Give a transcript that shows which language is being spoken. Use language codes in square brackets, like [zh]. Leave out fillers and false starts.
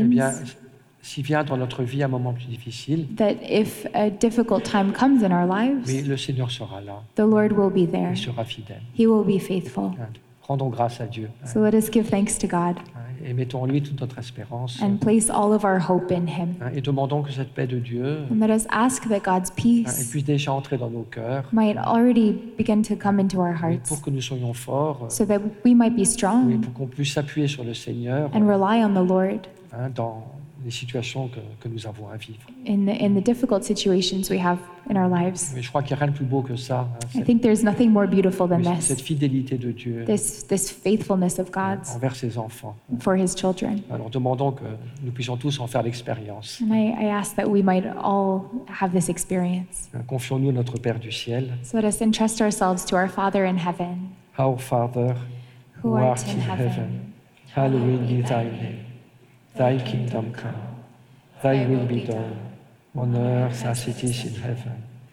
[fr] Eh bien, s'il vient dans notre vie à un moment plus difficile, [en] that if a difficult time comes in our lives. [fr] Mais le Seigneur sera là. [en] The Lord will be there. [fr] Il sera fidèle. [en] He will be faithful. [fr] Rendons grâce à Dieu. [en] So let us give thanks to God. [fr] Et mettons en lui toute notre espérance. [en] And place all of our hope in him. [fr] Et demandons que cette paix de Dieu. [en] And let us ask that God's peace. [fr] Puisse déjà entrer dans nos cœurs. [en] Might already begin to come into our hearts. [fr] Et pour que nous soyons forts. [en] So that we might be strong. [fr] Et pour qu'on puisse s'appuyer sur le Seigneur. [en] And rely on the Lord. [fr] Dans les situations que nous avons à vivre. [en] In the difficult situations we have in our lives. [fr] Mais je crois qu'il n'y a rien de plus beau que ça. [en] I think there's nothing more beautiful than this. [fr] Cette fidélité de Dieu. [en] This faithfulness of God's. [fr] Envers ses enfants. [en] For his children. [fr] Alors demandons que nous puissions tous en faire l'expérience. [en] And I ask that we might all have this experience. [fr] Confions-nous à notre Père du ciel. [en] So let us entrust ourselves to our Father in heaven. Our Father, who art in heaven, hallowed be thy name. Thy kingdom come, thy will be done, on earth as it is in heaven.